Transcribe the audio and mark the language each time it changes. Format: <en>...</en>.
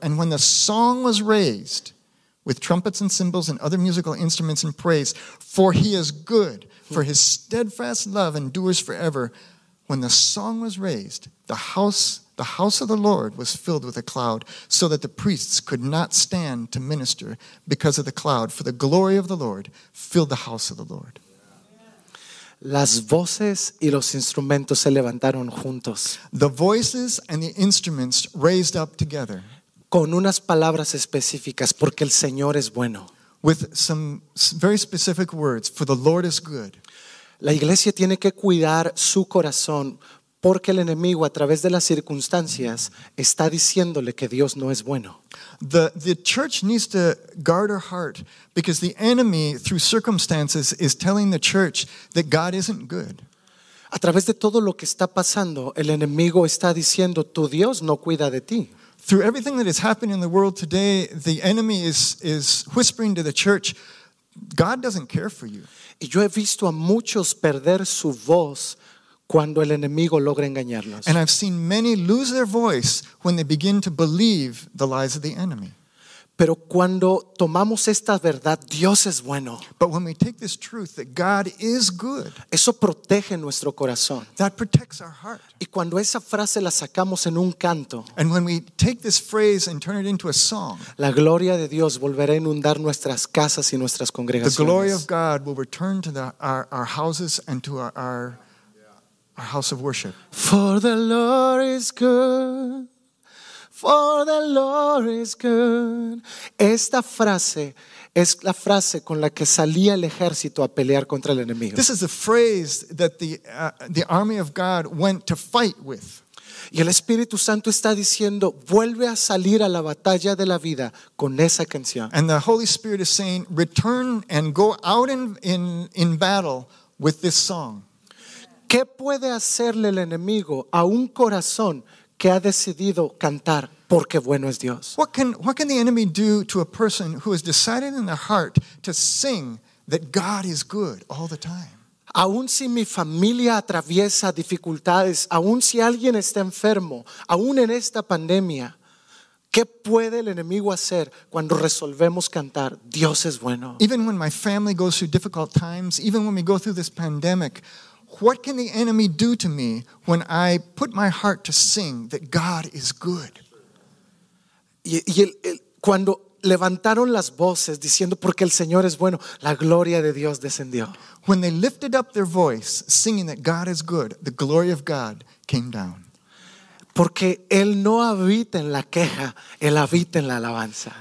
<en>And when the song was raised, with trumpets and cymbals and other musical instruments in praise, for he is good, for his steadfast love endures forever. When the song was raised, the house of the Lord was filled with a cloud, so that the priests could not stand to minister because of the cloud, for the glory of the Lord filled the house of the Lord.</en> <es>Las voces y los instrumentos se levantaron juntos.</es> <en>The voices and the instruments raised up together.</en> <es>Con unas palabras específicas, porque el Señor es bueno.</es> <en>With some very specific words, for the Lord is good.</en> <es>La iglesia tiene que cuidar su corazón, porque el enemigo a través de las circunstancias está diciéndole que Dios no es bueno.</es> <en>The church needs to guard her heart, because the enemy through circumstances is telling the church that God isn't good.</en> <es>A través de todo lo que está pasando, el enemigo está diciendo, tu Dios no cuida de ti.</es> <en>Through everything that is happening in the world today, the enemy is whispering to the church, God doesn't care for you.</en> <es>Y yo he visto a muchos perder su voz cuando el enemigo logra engañarlos.</es> <en>And I've seen many lose their voice when they begin to believe the lies of the enemy.</en> <es>Pero cuando tomamos esta verdad, Dios es bueno.</es> <en>But when we take this truth that God is good,</en> <es>eso protege nuestro corazón.</es> <en>That protects our heart.</en> <es>Y cuando esa frase la sacamos en un canto,</es> <en>and when we take this phrase and turn it into a song,</en> <es>la gloria de Dios volverá a inundar nuestras casas y nuestras congregaciones.</es> <en>The glory of God will return to our houses and to our house of worship. For the Lord is good. For the Lord is good.</en> <es>Esta frase es la frase con la que salía el ejército a pelear contra el enemigo.</es> <en>This is the phrase that the army of God went to fight with.</en> <es>Y el Espíritu Santo está diciendo, vuelve a salir a la batalla de la vida con esa canción.</es> <en>And the Holy Spirit is saying, return and go out in battle with this song.</en> <es>¿Qué puede hacerle el enemigo a un corazón que ha decidido cantar porque bueno es Dios?</es> <en>What can the enemy do to a person who has decided in their heart to sing that God is good all the time?</en> <es>Aún si mi familia atraviesa dificultades, aún si alguien está enfermo, aún en esta pandemia, ¿Qué puede el enemigo hacer cuando resolvemos cantar Dios es bueno?</es> <en>Even when my family goes through difficult times, even when we go through this pandemic, what can the enemy do to me when I put my heart to sing that God is good?</en> <es>Y cuando levantaron las voces diciendo porque el Señor es bueno, la gloria de Dios descendió.</es> <en>When they lifted up their voice singing that God is good, the glory of God came down.</en> <es>Porque él no habita en la queja, él habita en la alabanza.</es>